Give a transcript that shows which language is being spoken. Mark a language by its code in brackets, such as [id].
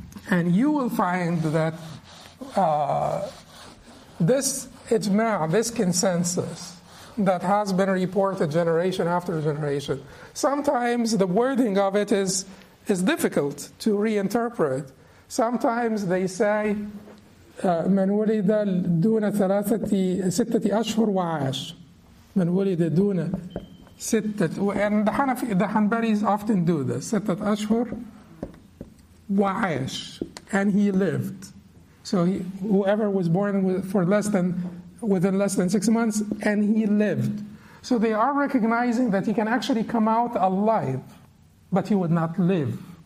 [en] And you will find that this ijma, this consensus, that has been reported generation after generation. Sometimes the wording of it is difficult to reinterpret. Sometimes they say, [ar] من ولد دون ثلاثة ستة أشهر وعاش. من ولد دون ستة. [en] And the Hanbalis often do this. [ar] ستة أشهر وعاش. [en] And he lived. So whoever was born within less than 6 months, and he lived. So they are recognizing that he can actually come out alive, but he would not live.